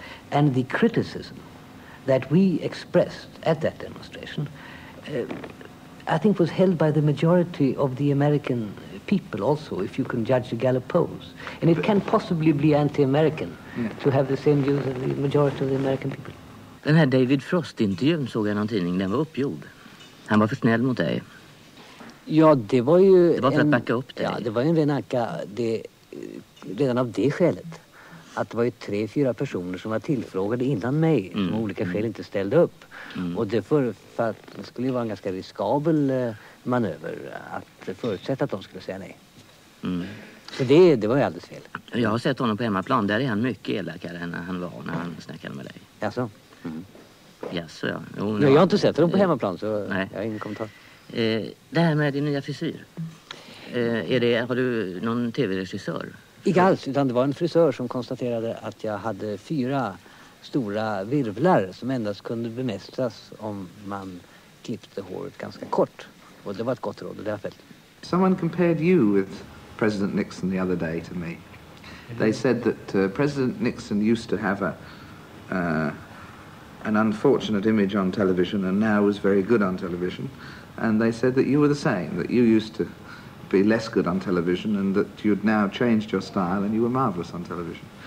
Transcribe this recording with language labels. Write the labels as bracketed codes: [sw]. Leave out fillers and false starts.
[en] And the criticism that we expressed at that demonstration, I think, was held by the majority of the American people also, if you can judge the Gallup polls. And it can possibly be anti-American to have the same views as the majority of the American people. [sv] Den här David Frost-intervjun såg jag i någon tidning. Den var uppgjord. Han var för snäll mot dig. Ja, det var ju... Det var för att backa upp dig. Ja, det var ju en ren anka. Det, redan av det skälet. Att det var ju 3-4 personer som var tillfrågade innan mig. Mm. Som olika skäl inte ställde upp. Mm. Och det för att det skulle ju vara en ganska riskabel manöver. Att förutsätta att de skulle säga nej. Mm. Så det var ju alldeles fel. Jag har sett honom på hemmaplan. Där är han mycket elakare än han var när han snackade med dig. Jaså? Mm. Jaså, ja. Jo, nej, jag har inte sett honom på hemmaplan så nej. Jag har ingen kommentar. Det här med din nya frisyr. Har du någon tv-regissör? Inte alls, utan det var en frisör som konstaterade att jag hade 4 stora virvlar som endast kunde bemästras om man klippte håret ganska kort. Och det var ett gott råd, och det har följt. [en] Someone compared you with President Nixon the other day to me. They said that President Nixon used to have an unfortunate image on television and now was very good on television. And they said that you were the same, that you used to be less good on television and that you'd now changed your style and you were marvelous on television.